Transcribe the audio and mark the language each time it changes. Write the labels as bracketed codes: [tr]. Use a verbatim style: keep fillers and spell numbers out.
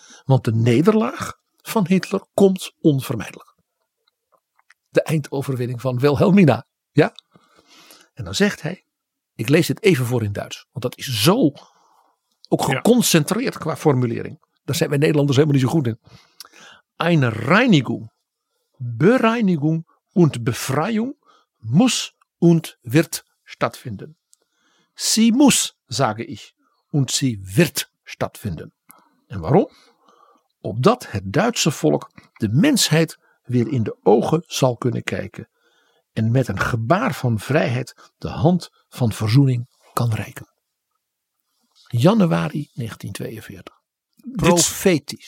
[nl] Want de nederlaag van Hitler komt onvermijdelijk. De eindoverwinning van Wilhelmina. Ja? En dan zegt hij, ik lees dit even voor in Duits. Want dat is zo ook geconcentreerd ja. qua formulering. Daar zijn wij Nederlanders helemaal niet zo goed in. [de] Eine Reinigung, Bereinigung und Befreiung muss und wird stattfinden. Sie muss, sage ich, und sie wird stattfinden. [nl] En waarom? Opdat het Duitse volk de mensheid weer in de ogen zal kunnen kijken. En met een gebaar van vrijheid de hand van verzoening kan reiken. Januari negentien tweeënveertig. Profetisch.